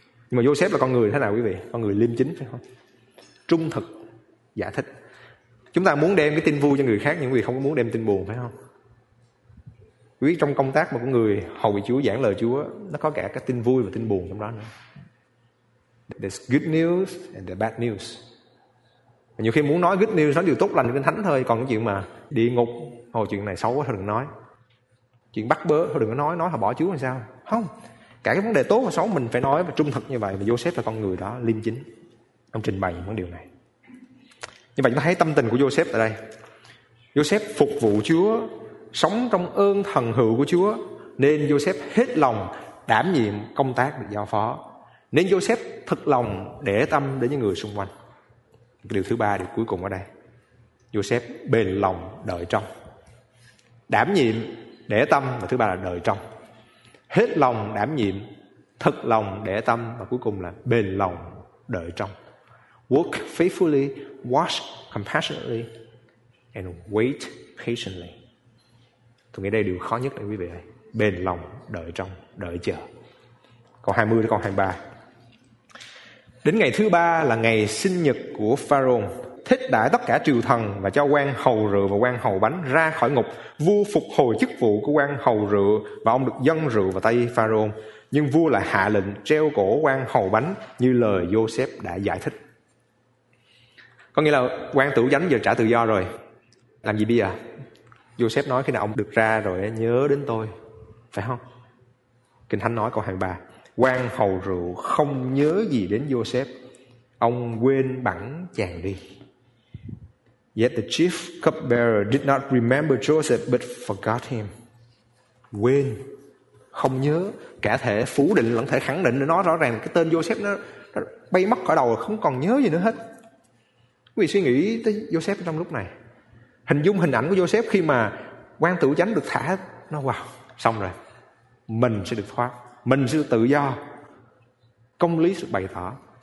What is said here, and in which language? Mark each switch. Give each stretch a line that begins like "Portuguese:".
Vietnamese: Nhưng mà Joseph là con người thế nào quý vị? Con người liêm chính phải không? Trung thực giải thích. Chúng ta muốn đem cái tin vui cho người khác, nhưng quý vị không muốn đem tin buồn phải không? Quý vị trong công tác mà của người hầu Chúa, giảng lời Chúa, nó có cả cái tin vui và tin buồn trong đó nữa.
English: There's good news and the bad news.
Vietnamese: Nhiều khi muốn nói
English: good news,
Vietnamese: nói điều tốt lành kinh thánh thôi, còn cái chuyện mà địa ngục hồi chuyện này xấu quá thôi đừng nói, chuyện bắt bớ thôi đừng có nói họ bỏ Chúa làm sao. Không, cả cái vấn đề tốt và xấu mình phải nói và trung thực như vậy. Và Joseph là con người đó, liêm chính, ông trình bày những vấn điều này. Như vậy chúng ta thấy tâm tình của Joseph tại đây. Joseph phục vụ Chúa, sống trong ơn thần hữu của Chúa, nên Joseph hết lòng đảm nhiệm công tác được giao phó, nên Joseph thật lòng để tâm đến những người xung quanh. Cái điều thứ ba, điều cuối cùng ở đây, Joseph bền lòng đợi trông. Đảm nhiệm, để tâm, và thứ ba là đợi trông. Hết lòng đảm nhiệm, thật lòng để tâm, và cuối cùng là bền lòng đợi trông.
English: Work faithfully, watch compassionately, and wait patiently.
Vietnamese: Tôi nghĩ đây là điều khó nhất đấy quý vị ơi. Bền lòng đợi trông, đợi chờ. Câu 20 đến câu 23. Đến ngày thứ ba là ngày sinh nhật của Pharaoh, thích đãi tất cả triều thần và cho quan hầu rượu và quan hầu bánh ra khỏi ngục. Vua phục hồi chức vụ của quan hầu rượu và ông được dâng rượu vào tay Pharaoh. Nhưng vua lại hạ lệnh treo cổ quan hầu bánh như lời Joseph đã giải thích. Có nghĩa là quan tử dánh giờ trả tự do rồi, làm gì bây giờ? Joseph nói khi nào ông được ra rồi nhớ đến tôi, phải không? Kinh Thánh nói câu 23, quan hầu rượu không nhớ gì đến Joseph, ông quên bẵng chàng đi.
English: Yet the chief cupbearer did not remember Joseph but forgot him.
Vietnamese: Quên, không nhớ, cả thể phủ định lẫn thể khẳng định, nó rõ ràng cái tên Joseph nó bay mất khỏi đầu, không còn nhớ gì nữa hết. Quý vị suy nghĩ tới Joseph trong lúc này, hình dung hình ảnh của Joseph khi mà quan tử chánh được thả, nó wow, xong rồi, mình sẽ được thoát, mình sẽ được tự do, công lý sẽ bày tỏ.